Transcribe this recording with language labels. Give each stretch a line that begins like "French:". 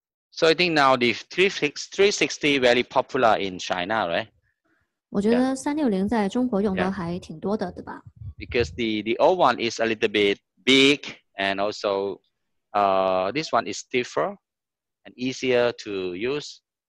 English: So I think now the 360 very popular in China, right?
Chinese: 我觉得360在中国用的还挺多的，对吧？
English: Yeah. Because the old one is a little bit big, and also, this one is stiffer and easier to use.